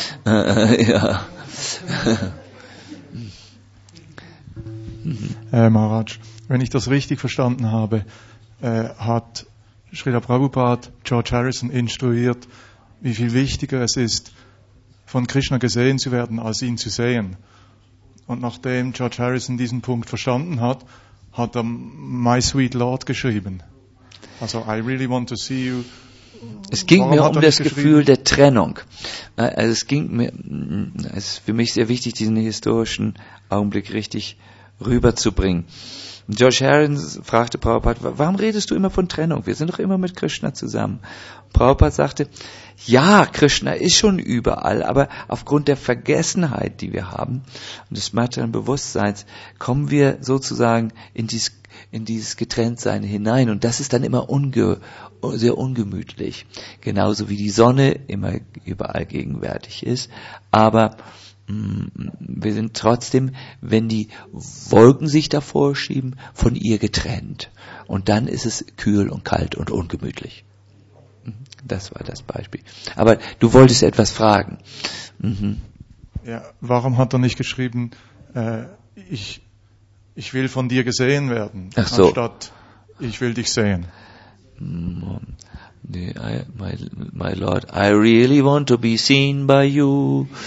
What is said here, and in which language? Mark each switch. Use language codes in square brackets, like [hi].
[de] Maharaj, wenn ich das richtig verstanden habe, hat Srila Prabhupada George Harrison instruiert, wie viel wichtiger es ist, von Krishna gesehen zu werden, als ihn zu sehen. Und nachdem George Harrison diesen Punkt verstanden hat, hat er My Sweet Lord geschrieben. [en] Also, I really want to see you. [de] Es ging mir um das Gefühl der Trennung. Also es ist für mich sehr wichtig, diesen historischen Augenblick richtig rüberzubringen. Und Josh Harris fragte Prabhupada, warum redest du immer von Trennung? Wir sind doch immer mit Krishna zusammen. Und Prabhupada sagte, ja, Krishna ist schon überall, aber aufgrund der Vergessenheit, die wir haben, und des materiellen Bewusstseins, kommen wir sozusagen in dieses Getrenntsein hinein. Und das ist dann immer sehr ungemütlich. Genauso wie die Sonne immer überall gegenwärtig ist. Aber wir sind trotzdem, wenn die Wolken sich davor schieben, von ihr getrennt. Und dann ist es kühl und kalt und ungemütlich. Das war das Beispiel. Aber du wolltest etwas fragen. Mhm. Ja, warum hat er nicht geschrieben, ich will von dir gesehen werden, ach so, anstatt ich will dich sehen? [en] Nee, my Lord, I really want to be seen by you.